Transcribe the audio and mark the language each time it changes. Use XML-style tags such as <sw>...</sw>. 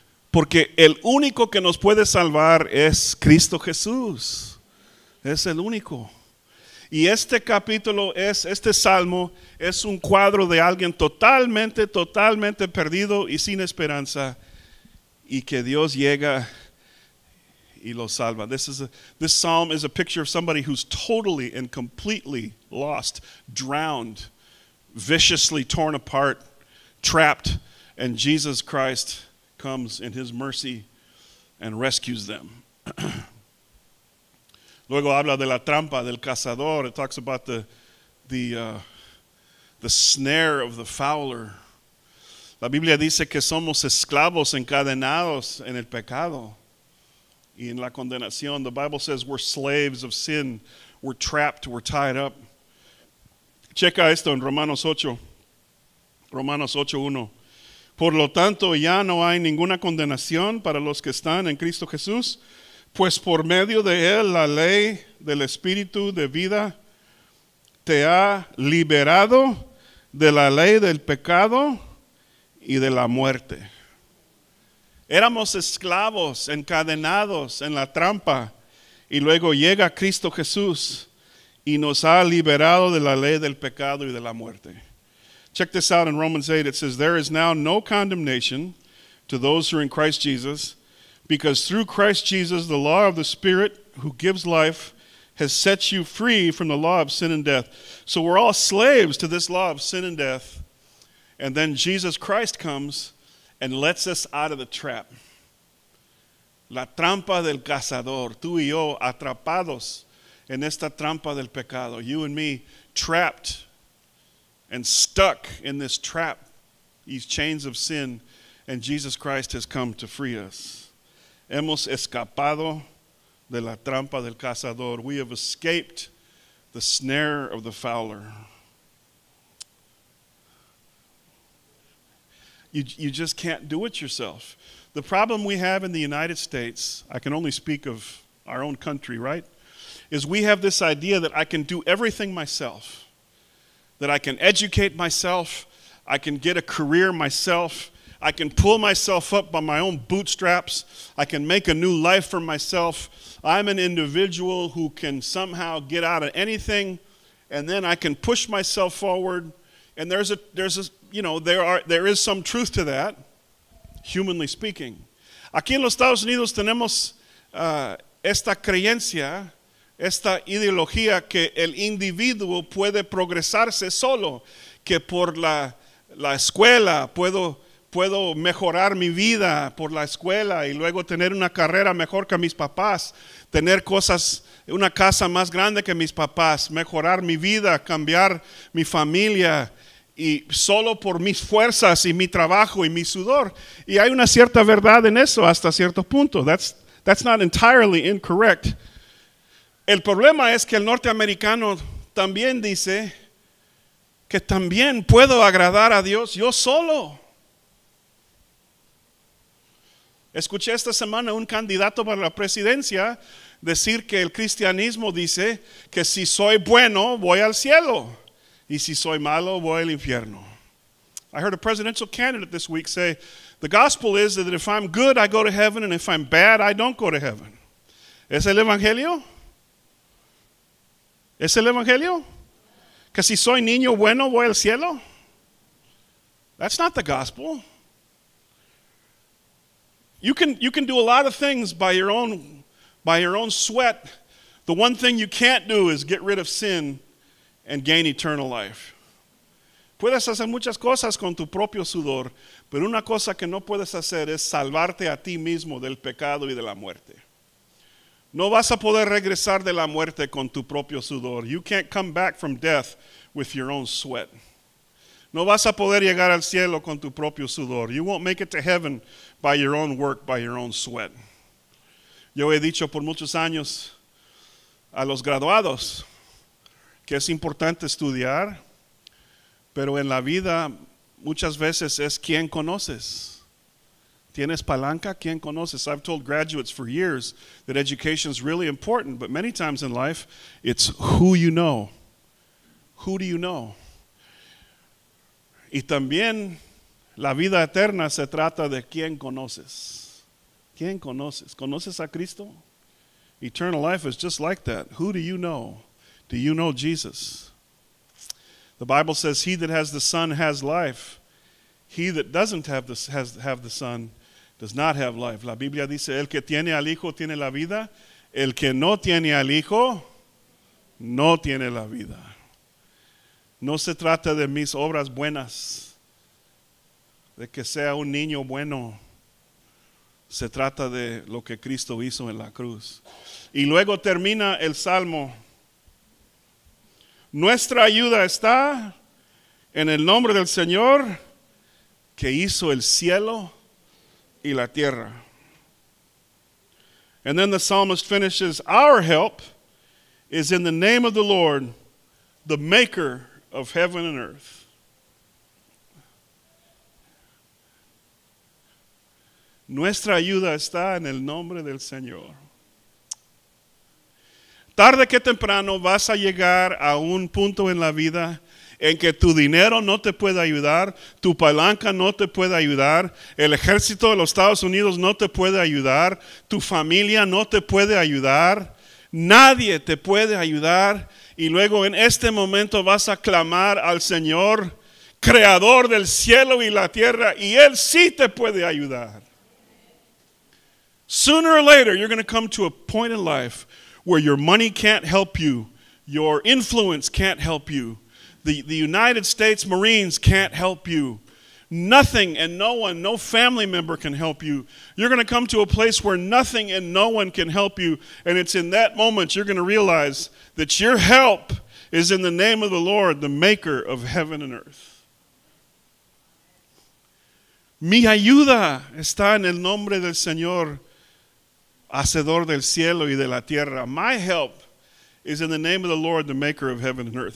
<es>Porque el único que nos puede salvar es Cristo Jesús. Es el único. Y este capítulo, este salmo, es un cuadro de alguien totalmente, totalmente perdido y sin esperanza. Y que Dios llega y lo salva.</es> <en>This psalm is a picture of somebody who's totally and completely lost, drowned, viciously torn apart, trapped, and Jesus Christ comes in his mercy and rescues them.</en> <es>Luego habla de la trampa del cazador.</es> <en>It talks about the snare of the fowler.</en> <es>La Biblia dice que somos esclavos encadenados en el pecado y en la condenación.</es> <en>The Bible says we're slaves of sin. We're trapped, we're tied up.</en> <es>Checa esto en Romanos 8. Romanos 8:1. Por lo tanto, ya no hay ninguna condenación para los que están en Cristo Jesús, pues por medio de él la ley del Espíritu de vida te ha liberado de la ley del pecado y de la muerte. Éramos esclavos, encadenados en la trampa, y luego llega Cristo Jesús y nos ha liberado de la ley del pecado y de la muerte.</es> <en>Check this out in Romans 8. It says, there is now no condemnation to those who are in Christ Jesus, because through Christ Jesus, the law of the Spirit who gives life has set you free from the law of sin and death. So we're all slaves to this law of sin and death. And then Jesus Christ comes and lets us out of the trap.</en> <es>La trampa del cazador. Tú y yo atrapados en esta trampa del pecado.</es> <en>You and me trapped and stuck in this trap, these chains of sin, and Jesus Christ has come to free us.</en> <es>Hemos escapado de la trampa del cazador.</es> <en>We have escaped the snare of the fowler. You just can't do it yourself. The problem we have in the United States, I can only speak of our own country, right? Is we have this idea that I can do everything myself. That I can educate myself. I can get a career myself. I can pull myself up by my own bootstraps. I can make a new life for myself. I'm an individual who can somehow get out of anything. And then I can push myself forward. And there's a you know, there is some truth to that, humanly speaking.</en> <es>Aquí en los Estados Unidos tenemos esta creencia, esta ideología que el individuo puede progresarse solo, que por la escuela puedo mejorar mi vida por la escuela y luego tener una carrera mejor que mis papás, tener cosas, una casa más grande que mis papás, mejorar mi vida, cambiar mi familia y solo por mis fuerzas y mi trabajo y mi sudor. Y hay una cierta verdad en eso hasta cierto punto.</es> <en>That's not entirely incorrect.</en> <es>El problema es que el norteamericano también dice que también puedo agradar a Dios yo solo. Escuché esta semana un candidato para la presidencia decir que el cristianismo dice que si soy bueno voy al cielo y si soy malo voy al infierno. I heard a presidential candidate this week say, the gospel is that if I'm good I go to heaven and if I'm bad I don't go to heaven. ¿Es el evangelio? ¿Es el evangelio? ¿Que si soy niño bueno voy al cielo?</es> <en>That's not the gospel. You can do a lot of things by your own sweat. The one thing you can't do is get rid of sin and gain eternal life.</en> <es>Puedes hacer muchas cosas con tu propio sudor, pero una cosa que no puedes hacer es salvarte a ti mismo del pecado y de la muerte. No vas a poder regresar de la muerte con tu propio sudor.</es> <en>You can't come back from death with your own sweat.</en> <es>No vas a poder llegar al cielo con tu propio sudor.</es> <en>You won't make it to heaven by your own work, by your own sweat.</en> <es>Yo he dicho por muchos años a los graduados que es importante estudiar, pero en la vida muchas veces es quien conoces. ¿Tienes palanca? ¿Quién conoces?</es> <en>I've told graduates for years that education is really important, but many times in life, it's who you know. Who do you know?</en> <es>Y también, la vida eterna se trata de quién conoces. ¿Quién conoces? ¿Conoces a Cristo?</es> <en>Eternal life is just like that. Who do you know? Do you know Jesus? The Bible says, he that has the Son has life. He that doesn't have the Son does not have life.</en> <es>La Biblia dice, el que tiene al Hijo tiene la vida. El que no tiene al Hijo, no tiene la vida. No se trata de mis obras buenas, de que sea un niño bueno. Se trata de lo que Cristo hizo en la cruz. Y luego termina el Salmo. Nuestra ayuda está en el nombre del Señor que hizo el cielo y la tierra.</es> <en>And then the psalmist finishes, our help is in the name of the Lord, the maker of heaven and earth.</en> <es>Nuestra ayuda está en el nombre del Señor. Tarde que temprano vas a llegar a un punto en la vida en que tu dinero no te puede ayudar, tu palanca no te puede ayudar, el ejército de los Estados Unidos no te puede ayudar, tu familia no te puede ayudar, nadie te puede ayudar. Y luego en este momento vas a clamar al Señor, creador del cielo y la tierra, y Él sí te puede ayudar.</es> <en>Sooner or later, you're going to come to a point in life where your money can't help you, your influence can't help you, The United States Marines can't help you. Nothing and no one, no family member can help you. You're going to come to a place where nothing and no one can help you. And it's in that moment you're going to realize that your help is in the name of the Lord, the maker of heaven and earth.</en> <es>Mi ayuda está en el nombre del Señor, hacedor del cielo y de la tierra.</es> <en>My help is in the name of the Lord, the maker of heaven and earth.</en>